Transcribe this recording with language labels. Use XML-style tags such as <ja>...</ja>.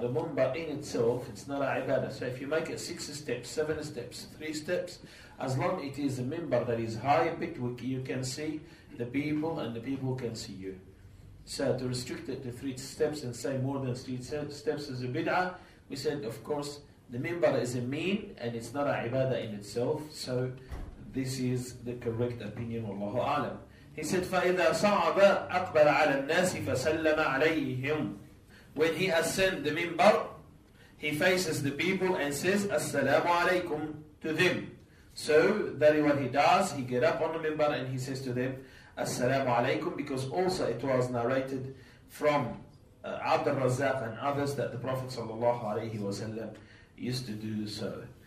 <en>The minbar in itself, it's not a ibadah. So if you make it six steps, seven steps, three steps, as long as it is a minbar that is high pitch, you can see the people and the people can see you. So to restrict it to three steps and say more than three steps is a bid'ah, we said, of course, the minbar is a mean and it's not a ibadah in itself. So this is the correct opinion, wallahu alam. He said,</en> <ar>فَإِذَا صَعَبَ أَقْبَلَ عَلَى النَّاسِ فَسَلَّمَ عَلَيْهِمْ.</ar> <en>When he ascends the minbar, he faces the people and says, Assalamu alaykum, to them. So that is what he does. He get up on the minbar and he says to them, Assalamu alaikum, because also it was narrated from Abd al-Razzaq and others that the Prophet sallallahu alaihi wasallam used to do so.</en>